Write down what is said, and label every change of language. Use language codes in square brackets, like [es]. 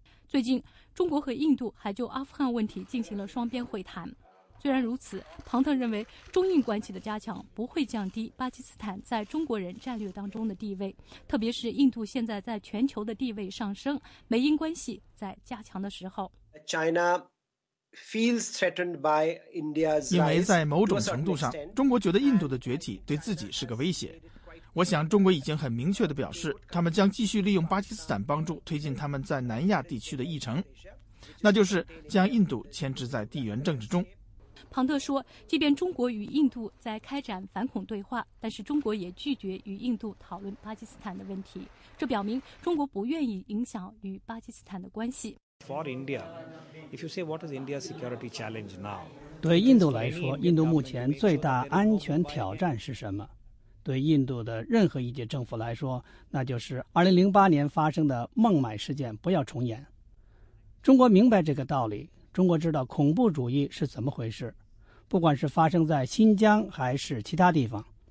[zh] 最近，中国和印度还就阿富汗问题进行了双边会谈。虽然如此，庞特认为中印关系的加强不会降低巴基斯坦在中国人战略当中的地位，特别是印度现在在全球的地位上升，美印关系在加强的时候。 [en] China feels threatened by India's rise. [zh] 因为在某种程度上，中国觉得印度的崛起对自己是个威胁。我想中国已经很明确地表示，他们将继续利用巴基斯坦帮助推进他们在南亚地区的议程，那就是将印度牵制在地缘政治中。庞特说，即便中国与印度在开展反恐对话，但是中国也拒绝与印度讨论巴基斯坦的问题，这表明中国不愿意影响与巴基斯坦的关系。 [en] For India, if you say what is India's security challenge now? [zh] 对印度来说，印度目前最大安全挑战是什么？对印度的任何一届政府来说，那就是2008年发生的孟买事件不要重演。中国明白这个道理。中国知道恐怖主义是怎么回事，不管是发生在新疆还是其他地方。